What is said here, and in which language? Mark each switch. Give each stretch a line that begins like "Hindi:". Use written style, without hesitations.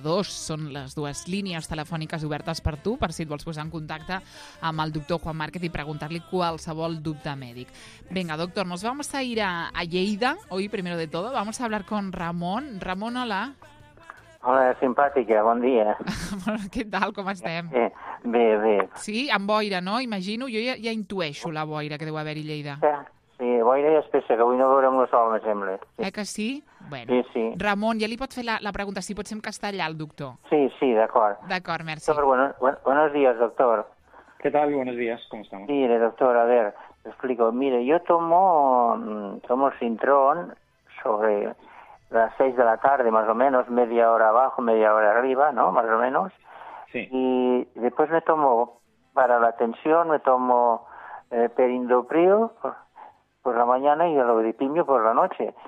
Catalan: Són les dues línies telefòniques obertes per tu, per si et vols posar en contacte amb el doctor Juan Márquez i preguntar-li qualsevol dubte mèdic.
Spanish: Vinga, doctor, nos vamos a ir a Lleida, hoy primero de todo, vamos a hablar con Ramón. Ramón, hola.
Catalan: Hola, simpàtica, bon dia. Bueno, què tal, com estem? Bé, bé. Sí, amb boira, no? Imagino, jo ja intueixo la boira que deu haver-hi Lleida. Sí, boira i espessa, que avui no veurem el sol, me sembla. Que sí? Bueno. Sí, sí. Ramon, ja li pot fer la pregunta, si pot ser en castellà, el doctor. Sí, sí, d'acord. D'acord, merci. Doctor,
Spanish: buenos días, doctor. ¿Qué tal? Buenos días, ¿cómo estamos? Mire, doctor, a ver, te explico. Mire, yo tomo Sintrón sobre las 6 de la tarde, más o menos, media hora abajo, media hora arriba, ¿no?, más o menos. Sí. Y después me tomo, para la tensión, me tomo perindopril, por la mañana y el oripimio por la noche.